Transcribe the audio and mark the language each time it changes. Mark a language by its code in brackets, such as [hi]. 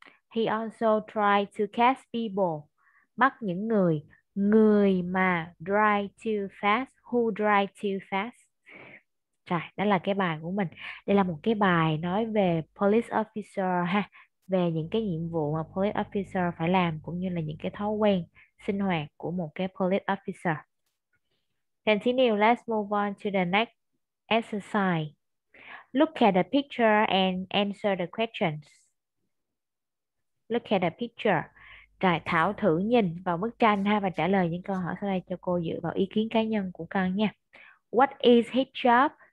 [en] He also tried to catch people. [vi] Bắt những người, người mà [en] drive to fast, who drive to fast. [vi] Trời, đó là cái bài của mình. Đây là một cái bài nói về police officer ha, về những cái nhiệm vụ mà police officer phải làm cũng như là những cái thói quen sinh hoạt của một cái police officer. [en] Continue, let's move on to the next exercise. Look at the picture and answer the questions. Look at the picture. [vi] Rồi, Thảo thử nhìn vào bức tranh ha và trả lời những câu hỏi sau đây cho cô dựa vào ý kiến cá nhân của con nha. [en] What is his job?